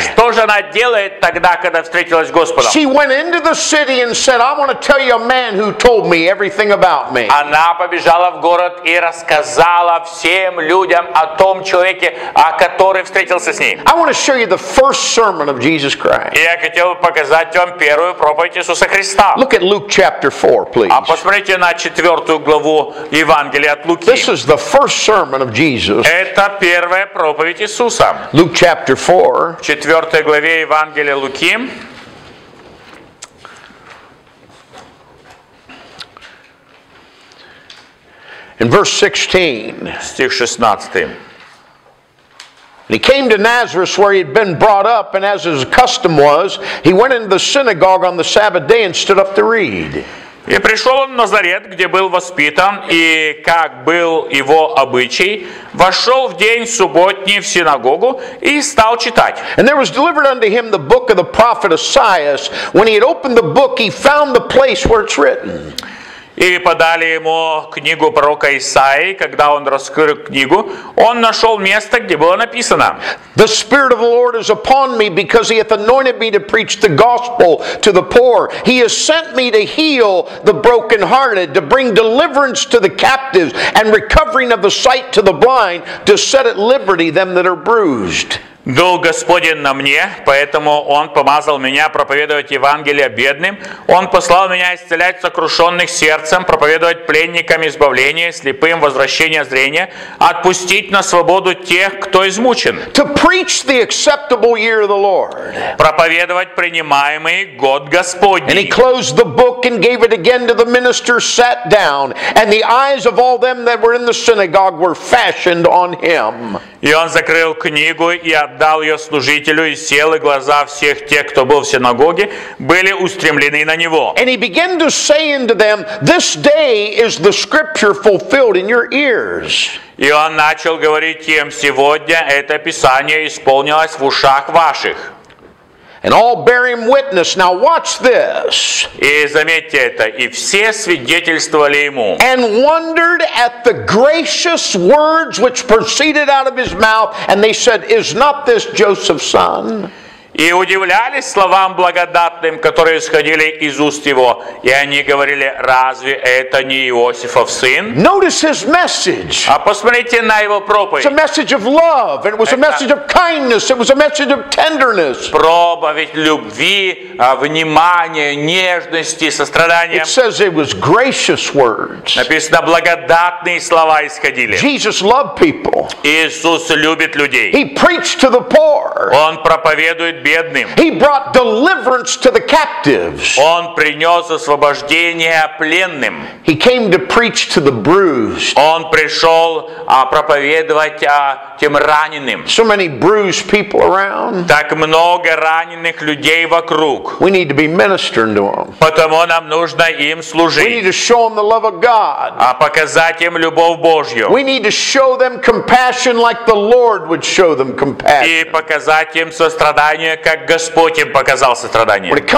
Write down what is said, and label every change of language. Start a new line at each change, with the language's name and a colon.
Russian: Что же она делает тогда, когда встретилась с Господом?
English: She went into the city and said, I want to tell you a man who told me everything about me.
Russian: Она побежала в город и рассказала всем людям о том человеке, о который встретился с ней.
English: I want to show you the first sermon of Jesus Christ.
Russian: Я хотел показать вам первую проповедь Иисуса Христа.
English: Look at Luke chapter 4, please.
Russian: А посмотрите на четвертую главу Евангелия от Луки.
English: This is the first sermon of Jesus.
Russian: Это первая проповедь Иисуса.
English: Luke chapter 4.
Russian: В четвертой главе Евангелия Луки.
English: In verse 16. And he came to Nazareth where he had been brought up, and as his custom was, he went into the synagogue on the Sabbath day and stood up to read.
Russian: И пришел он в Назарет, где был воспитан, и как был его обычай, вошел в день субботний в синагогу и стал читать.
English: And there was delivered unto him the book of the prophet Isaiah. When he had opened the book, he found the place where it's written.
Russian: И подали ему книгу пророка Исаии, когда он раскрыл книгу, он нашел место, где было написано.
English: The Spirit of the Lord is upon me, because he hath anointed me to preach the gospel to the poor. He has sent me to heal the brokenhearted, to bring deliverance to the captives, and recovering of the sight to the blind, to set at liberty them that are bruised.
Russian: Дух Господень на мне, поэтому Он помазал меня проповедовать Евангелие бедным. Он послал меня исцелять сокрушенных сердцем, проповедовать пленникам избавление, слепым возвращение зрения, отпустить на свободу тех, кто измучен.
English: To preach the acceptable year of the Lord.
Russian: Проповедовать принимаемый год Господний.
English: And he closed the book and gave it again to the minister, sat down, and the eyes of all them that were in the synagogue were fashioned on him.
Russian: И он закрыл книгу и отдал ее служителю, и сел, и глаза всех тех, кто был в синагоге, были устремлены на него.
English: And he began to say unto them, this day is the scripture fulfilled in your ears.
Russian: И он начал говорить им, сегодня это писание исполнилось в ушах ваших.
English: And all bear him witness. Now watch this.
Russian: И заметьте это, и все свидетельствовали ему.
English: And wondered at the gracious words which proceeded out of his mouth, and they said, "Is not this Joseph's son?"
Russian: И удивлялись словам благодатным, которые исходили из уст его, и они говорили: "Разве это не Иосифов сын?"
English: Notice his message.
Russian: А посмотрите на его проповедь.
English: It was a message of love, and it was a message of kindness, it was a message of tenderness.
Russian: Проповедь любви, внимания, нежности, сострадания.
English: It says it was gracious words.
Russian: Написано, благодатные слова исходили.
English: Jesus loved people.
Russian: Иисус любит людей.
English: He preached to the poor.
Russian: Он проповедует бедным.
English: He brought deliverance to the captives.
Russian: Он принес освобождение пленным.
English: He came to preach to the bruised.
Russian: Он пришел проповедовать тем раненым.
English: So many bruised people around.
Russian: Так много раненых людей вокруг.
English: We need to be ministering to them.
Russian: Потому нам нужно им служить.
English: We need to show them the love of God.
Russian: А показать им любовь Божью.
English: We need to show them compassion like the Lord would show them compassion.
Russian: И показать им сострадание, как Господь им показал сострадание.